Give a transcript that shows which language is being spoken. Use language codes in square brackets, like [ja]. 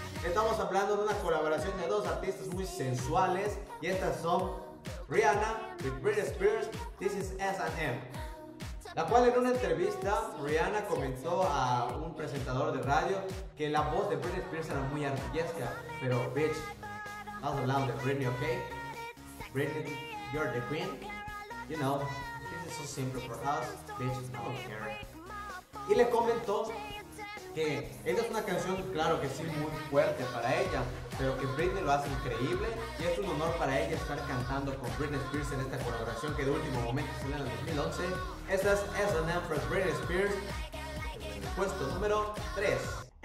[es] Estamos hablando de una colaboración de dos artistas muy sensuales y estas son Rihanna [en] with Britney Spears, This Is S&M. [es] La cual en una entrevista, Rihanna comentó a un presentador de radio que la voz de Britney Spears era muy artillesca, pero bitch, estamos hablando de Britney, ¿ok? [en] Britney, you're the queen, you know, this is so simple for us, bitch, I don't care. [es] Y le comentó que esta es una canción, claro que sí, muy fuerte para ella, pero que Britney lo hace increíble y es un honor para ella estar cantando con Britney Spears en esta colaboración que de último momento salió en el 2011. Esta es S&M for Britney Spears, puesto número 3.